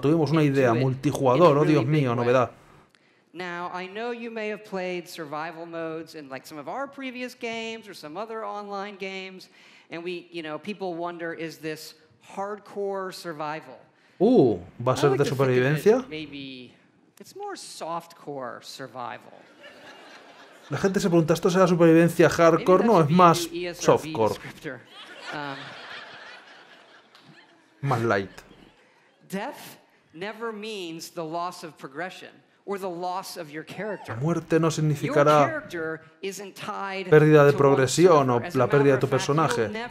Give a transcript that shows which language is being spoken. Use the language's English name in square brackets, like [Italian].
[Spanish] Tuvimos una idea, multijugador, oh Dios mío, novedad. [English] Now, I know you may have played survival modes in like some of our previous games or some other online games, and we, you know, people wonder, is this hardcore survival? [Spanish] ¿Va a ser de supervivencia? [English] Maybe it's more softcore survival. [Spanish] La gente se pregunta, ¿esto será supervivencia hardcore? No, es más softcore. Más light. [English] Death never means the loss of progression or the loss of your character. [Spanish] La muerte no significará pérdida de progresión o la pérdida de tu personaje.